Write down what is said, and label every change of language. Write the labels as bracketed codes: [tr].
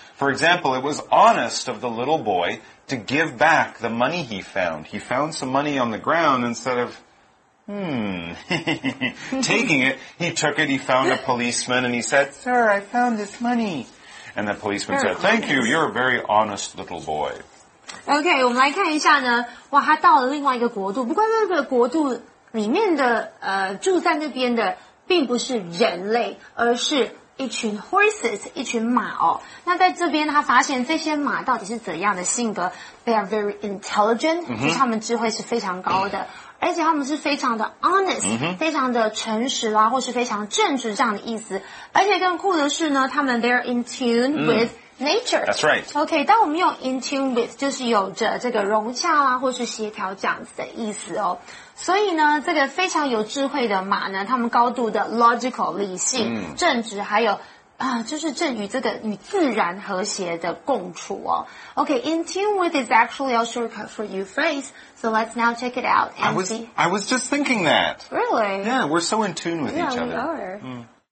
[en] For example, it was honest of the little boy to give back the money he found. He found some money on the ground instead of, taking it. He took it. He found a policeman and he said, sir, I found this money. And the policeman said, thank you. You're a very honest little boy. [zh] OK, 我们来看一下呢哇他到了另外一个国度不过那个国度里面的住在那边的并不是人类而是一群 horses, 一群马哦。那在这边他发现这些马到底是怎样的性格 ? [en] They are very intelligent,、 [zh] mm-hmm. 就是他们智慧是非常高的。而且他们是非常的 honest,、mm-hmm. 非常的诚实啦或是非常正直这样的意思。而且更酷的是呢他们 [en] they are in tune with,、 [zh] mm. Nature. [en] That's right. [zh] Okay, 当我们用 in tune with, 就是有着这个融洽啊或是协调这样子的意思哦。所以呢这个非常有智慧的马呢他们高度的 logical, 理性、正直还有就是正与这个与自然和谐的共处哦。 [en] Okay, in tune with is actually a shortcut for you phrase, so let's now check it out. And I was just thinking that. Really? Yeah, we're so in tune with each other. Yeah, we are.